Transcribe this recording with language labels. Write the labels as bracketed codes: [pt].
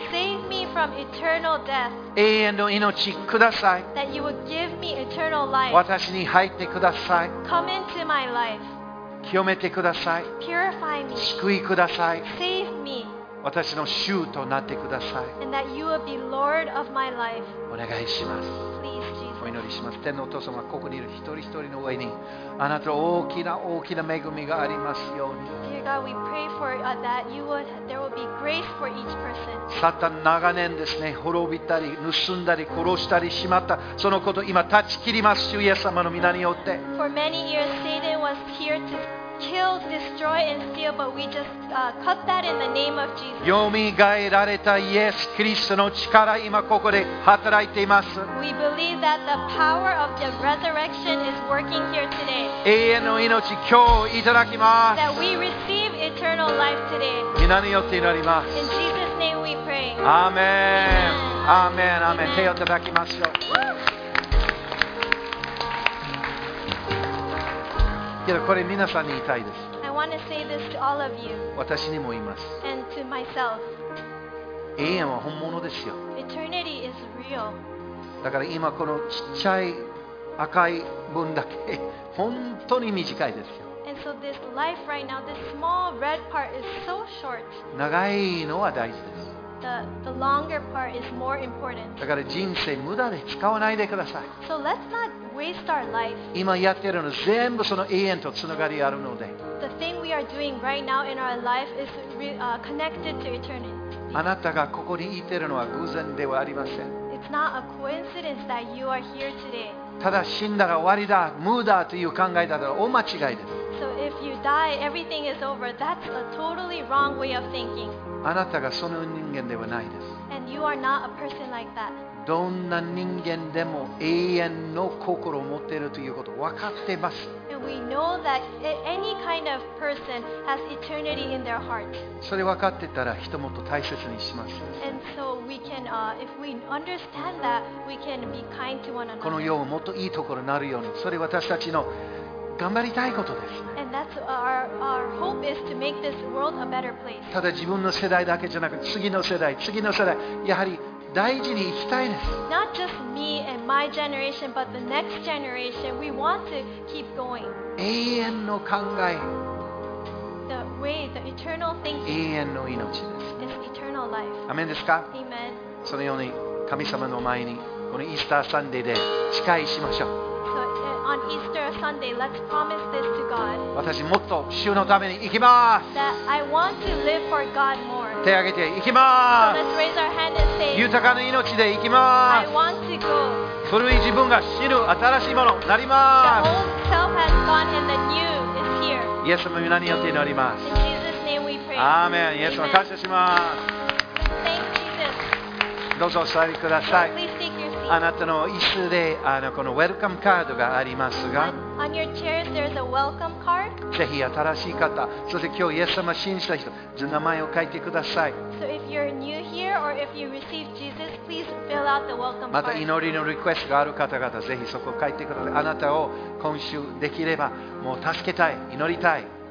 [en] Save me from eternal death. [ja] 永遠の命ください。 [en] That you would give me eternal life. [ja] 私に入ってください。 [en] Come into my life. [ja] 清めてください。 [en] Purify me. [ja] 救いください。 [en] Save me. [ja] 私の主となってください。 [en] And that you will be Lord of my life. [ja] お願いします。 [en] Please, [ja] お祈りします。天のお父様、ここにいる一人一人の上に、あなたの大きな大きな恵みがありますように。 [en] Dear God, we pray for that you would, there will be grace for each person. [ja] サタン長年ですね、滅びたり、盗んだり、殺したりしまった、そのこと今断ち切ります、主イエス様の御名によって。 [en] For many years, Satan was here to... Kill, destroy, and steal, but we just cut that in the name of Jesus. [ja] よみがえられたイエス・キリストの力、今ここで働いています。 [en] We believe that the power of the resurrection is working here today. [ja] 永遠の命、今日いただきます。 [en] That we receive eternal life today. [ja] 皆によって祈ります。 [en] In Jesus' name we pray. Amen. Amen. Amen. [ja] 手をいただきましょう。けどこれ皆さんに言いたいです。 [en] I want to say this to all of you. [ja] 私にも言います。 [en] And to myself. [ja] 永遠は本物ですよ。 [en] Eternity is real. [ja] だから今このちっちゃい赤い分だけ本当に短いですよ。 [en] And so this life right now, this small red part is so short. [ja] 長いのは大事です。 [en] The longer part is more important. [ja] だから人生無駄で使わないでください。 [en] So let's not waste our life. [ja] 今やってるの全部その永遠とつながりあるので。 [en] The thing we are doing right now in our life is connected to eternity. [ja] あなたがここにいてるのは偶然ではありません。 [en] It's not a coincidence that you are here today. [ja] ただ死んだら終わりだ、無駄という考えだったら大間違いです。 [en] So if you die, everything is over. That's a totally wrong way of thinking. [ja] あなたがその人間ではないです。 [en] And you are not a person like that. [ja] どんな人間でも永遠の心を持っているということを分かっています。 [en] And we know that any kind of person has eternity in their heart. [ja] それ分かってたら人もっと大切にします。 [en] And so we can, if we understand that, we can be kind to one another. [ja] この世をもっといいところになるように、それ私たちの頑張りたいことです。 [en] And that's our hope is to make this world a better place. [ja] ただ自分の世代だけじゃなく、次の世代、やはり大事に生きたいです。 [en] Not just me and my generation, but the next generation. We want to keep going. [ja] 永遠の考え。 [en] The way, the eternal thinking. [ja] 永遠の命です。 [en] Is eternal life. [ja] アメンですか？ [en] Amen. [ja] そのように神様の前にこのイースターサンデーで誓いしましょう。 [en] On Easter Sunday, let's promise this to God. [ja] 私もっと主のために生きます。 [en] That I want to live for God more. [ja] 手を挙げて生きます。 [en] So、let's raise our hand and say, [ja] 豊かな命で生きます。 [en] I want to go. [ja] 古い自分が死ぬ新しいものになります。 [en] The old self has gone and the new is here. [ja] イエス様の名によって祈ります。 [en] In Jesus' name we pray. [ja] アーメン。イエス様感謝します。 [en] Thank Jesus. [ja] どうぞお座りください。 [en] So please take your seat. [ja] あなたの椅子でこのウェルカムカードがありますが、 [en] On your chairs, there's a welcome card. [ja] ぜひ新しい方、そして今日イエス様を信じた人、名前を書いてください。 [en] So if you're new here or if you received Jesus, please fill out the welcome card. [ja] また祈りのリクエストがある方々、ぜひそこを書いてください。あなたを今週できればもう助けたい、祈りたい。